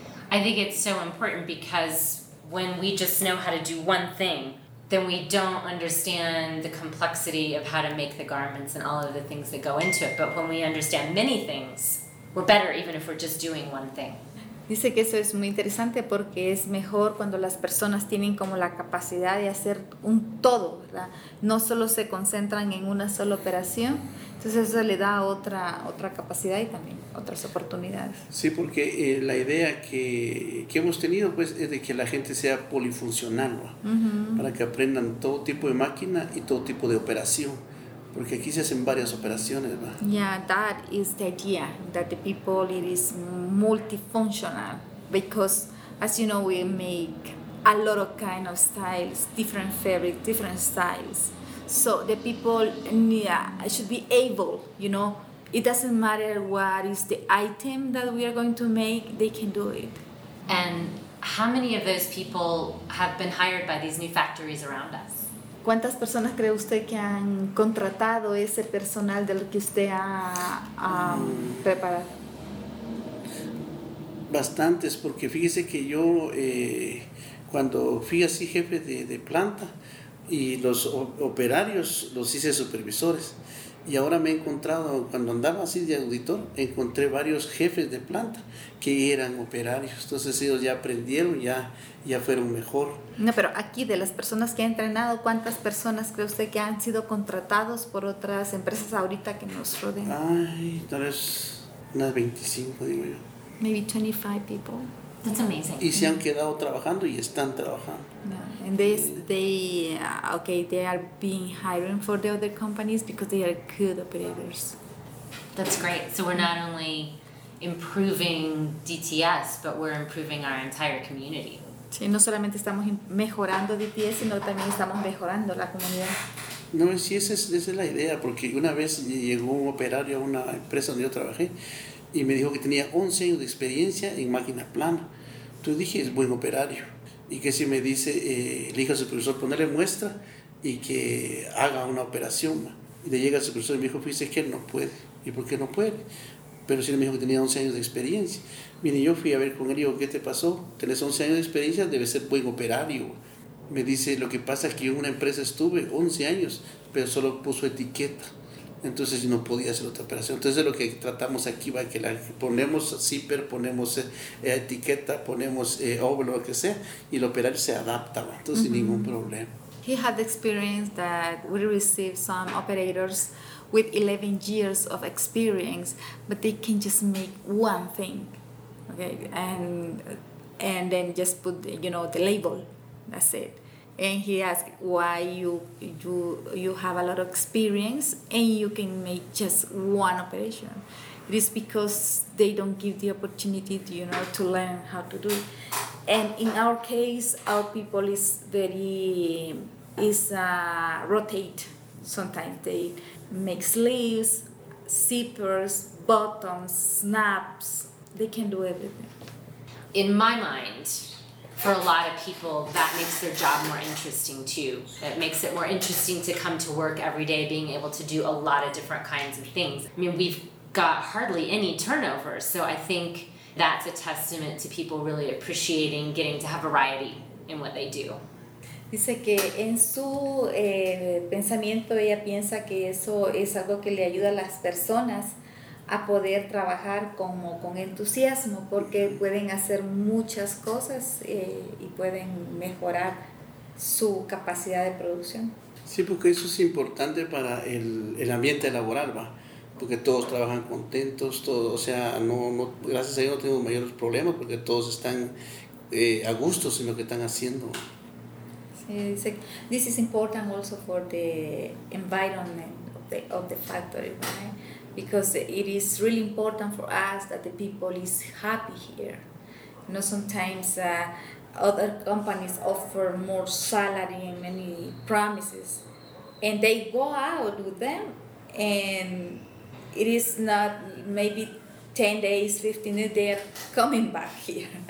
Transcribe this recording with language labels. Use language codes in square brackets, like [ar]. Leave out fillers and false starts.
[en] I think it's so important because when we just know how to do one thing, then we don't understand the complexity of how to make the garments and all of the things that go into it. But when we understand many things, we're better even if we're just doing one thing. [es] Dice que eso es muy interesante porque es mejor cuando las personas tienen como la capacidad de hacer un todo, ¿verdad? No solo se concentran en una sola operación, entonces eso le da otra capacidad y también otras oportunidades. Sí, porque la idea que hemos tenido pues es de que la gente sea polifuncional, ¿no? Para que aprendan todo tipo de máquina y todo tipo de operación. Porque aquí se hacen varias operaciones, ¿va? [en] Yeah, that is the idea, that the people, it is multifunctional. Because, as you know, we make a lot of kind of styles, different fabric, different styles. So the people should be able, you know, it doesn't matter what is the item that we are going to make, they can do it. And how many of those people have been hired by these new factories around us? [es] ¿Cuántas personas cree usted que han contratado ese personal del que usted ha preparado? Bastantes, porque fíjese que yo, cuando fui así jefe de planta, y los operarios los hice supervisores, y ahora me he encontrado, cuando andaba así de auditor, encontré varios jefes de planta que eran operarios. Entonces ellos ya aprendieron, ya fueron mejor. No, pero aquí de las personas que ha entrenado, ¿cuántas personas cree usted que han sido contratados por otras empresas ahorita que nos rodean? Ay, tal vez unas 25, digo yo. [en] Maybe 25 people. That's amazing. [es] Y se han quedado trabajando y están trabajando. [en] Yeah. And they are being hired for the other companies because they are good operators. That's great. So we're not only improving DTS, but we're improving our entire community. [es] Sí, no solamente estamos mejorando DTS, sino también estamos mejorando la comunidad. No, sí, esa es la idea, porque una vez llegó un operario a una empresa donde yo trabajé, y me dijo que tenía 11 años de experiencia en máquina plana. Entonces dije, es buen operario. Y que si me dice, elija a su profesor, ponerle muestra y que haga una operación. Y le llega a su profesor y me dijo, fíjese que él no puede. ¿Y por qué no puede? Pero sí me dijo que tenía 11 años de experiencia. Mire, yo fui a ver con él y digo, ¿qué te pasó? Tenés 11 años de experiencia, debe ser buen operario. Me dice, lo que pasa es que yo en una empresa estuve 11 años, pero solo puso etiqueta. Entonces no podía hacer otra operación. Entonces lo que tratamos aquí va que la ponemos zipper, ponemos etiqueta, ponemos óvulo, lo que sea, y el operario se adapta, ¿va? Entonces sin ningún problema. [en] He had the experience that we received some operators with 11 years of experience, but they can just make one thing, okay, and then just put the, you know, the label, that's it. And he asked why you have a lot of experience and you can make just one operation. It is because they don't give the opportunity to, you know, to learn how to do it. And in our case, our people is very, is rotate. Sometimes they make sleeves, zippers, bottoms, snaps. They can do everything. In my mind, for a lot of people, that makes their job more interesting too. It makes it more interesting to come to work every day, being able to do a lot of different kinds of things. I mean, we've got hardly any turnover, so I think that's a testament to people really appreciating getting to have variety in what they do. [es] Dice que en su pensamiento ella piensa que eso es algo que le ayuda a las personas a poder trabajar como con entusiasmo porque pueden hacer muchas cosas y pueden mejorar su capacidad de producción. Sí, porque eso es importante para el ambiente laboral, va, porque todos trabajan contentos, todos, o sea, no gracias a Dios no tenemos mayores problemas porque todos están a gusto en lo que están haciendo. [en] This is important also for the environment of the factory, right? Because it is really important for us that the people is happy here. You know, sometimes other companies offer more salary and many promises, and they go out with them, and it is not maybe 10 days, 15 days, they are coming back here.